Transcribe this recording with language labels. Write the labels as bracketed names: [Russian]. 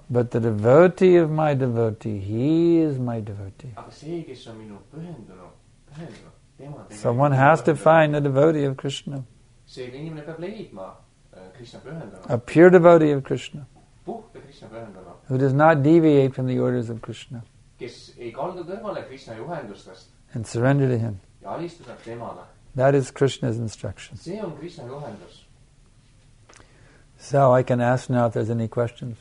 [English] But the devotee of my devotee, he is my devotee. [Estonian] Aga see, kes on minu pühendunu, pühendunu, tema tegelikult. [English] So one has to find a devotee of Krishna. [Estonian] See inimene peab leidma Krishna pühendunu. [English] A pure devotee of Krishna. [Estonian] Puhte Krishna pühendunu. [English] Who does not deviate from the orders of Krishna. [Estonian] Kes ei kaldu kõrvale Krishna juhendustest. [English] And surrender to him. [Estonian] Ja alistudab temale. [English] That is Krishna's instruction. [Estonian] See on Krishna juhendus. [English] So I can ask now if there's any questions.